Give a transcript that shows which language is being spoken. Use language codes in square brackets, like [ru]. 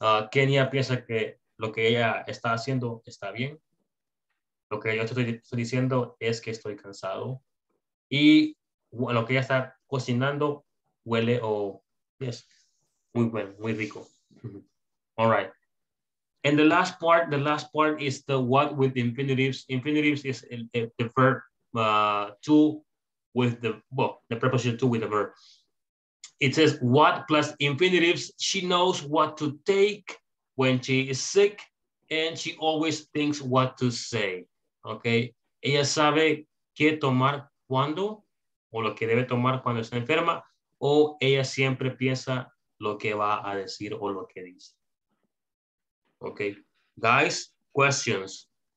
[es] Kenya piensa que lo que ella está haciendo está bien. Lo que yo estoy diciendo es que estoy cansado. Y lo que ella está cocinando huele o, [en] oh, yes. [es] Muy bueno, muy rico. Mm-hmm. [en] All right. And the last part is the what with infinitives. Infinitives is the verb two with the, well, the preposition two with the verb. It says what plus infinitives. She knows what to take when she is sick and she always thinks what to say. Okay. [es] Ella sabe qué tomar cuando o lo que debe tomar cuando está enferma o ella siempre piensa lo que va a decir o lo que dice. [en] Okay. Guys, questions?